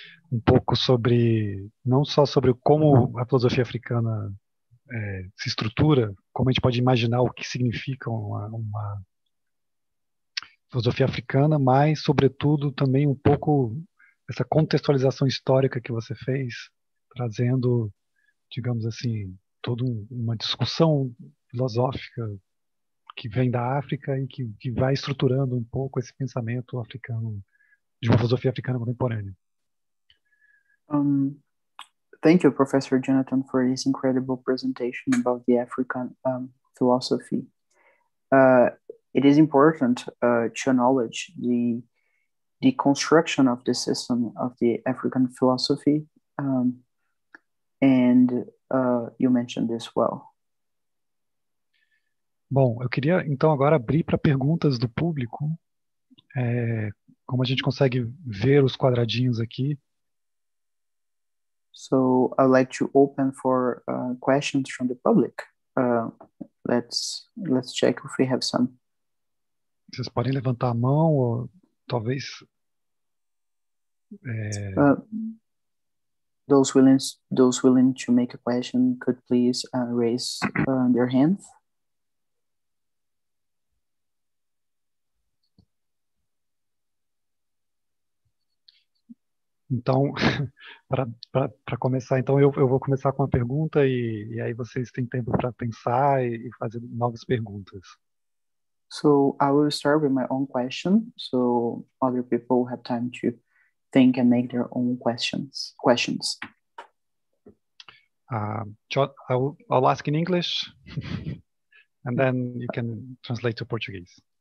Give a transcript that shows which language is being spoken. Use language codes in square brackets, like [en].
[pt] Um pouco sobre, não só sobre como a filosofia africana se estrutura, como a gente pode imaginar o que significa uma filosofia africana, mas, sobretudo, também um pouco essa contextualização histórica que você fez, trazendo, digamos assim, toda uma discussão filosófica que vem da África e que vai estruturando um pouco esse pensamento africano, de uma filosofia africana contemporânea. [en] Thank you, Professor Jonathan, for this incredible presentation about the African philosophy. It is important to acknowledge the construction of the system of the African philosophy, and you mentioned this well. [pt] Bom, eu queria então agora abrir para perguntas do público. Como a gente consegue ver os quadradinhos aqui? [en] So I'd like to open for questions from the public. Let's check if we have some. [pt] Vocês podem levantar a mão ou talvez. [en] Those willing to make a question could please raise their hands. [pt] Então, para começar, então eu vou começar com uma pergunta e aí vocês têm tempo para pensar e fazer novas perguntas. [en] So I will start with my own question, so other people have time to think and make their own questions. I'll ask in English, and then you can translate to Portuguese.